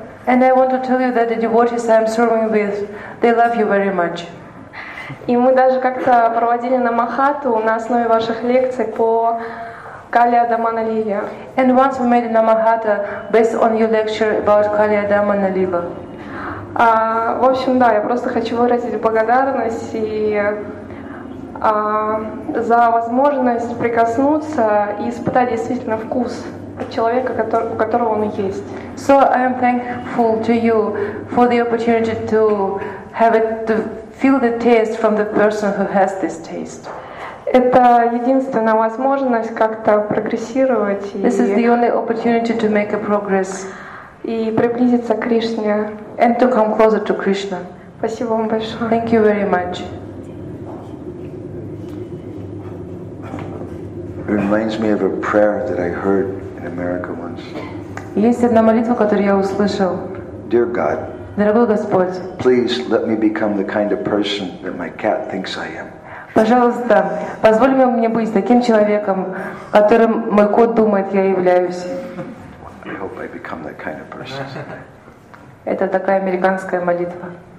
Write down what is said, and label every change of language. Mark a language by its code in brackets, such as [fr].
[en] And I want to tell you that the devotees I'm serving with, they love you very much. [ru] И мы даже как-то проводили намахату на основе ваших лекций по Kaliya Dhamma Lila. [en] And once we made Namahata based on your lecture about Kaliya Dhamma Lila. [ru] В общем, да, я просто хочу выразить благодарность и за возможность прикоснуться и испытать действительно вкус человека, у которого он есть. [en] So I am thankful to you for the opportunity to have it, to feel the taste from the person who has this taste. [ru] Это единственная возможность как-то прогрессировать. [en] This is the only opportunity to make a progress. [ru] И приблизиться к Кришне. [en] And to come closer to Krishna. [ru] Спасибо вам большое. [en] Thank you very much. It reminds me of a prayer that I heard in America once. [ru] Есть одна молитва, которую я услышал. [en] Dear God. [ru] Дорогой Господь. [en] Please let me become the kind of person that my cat thinks I am. [ru] Пожалуйста, позволь мне быть таким человеком, которым мой кот думает, я являюсь. [en] I hope I become that kind of person. [ru] Это такая американская молитва.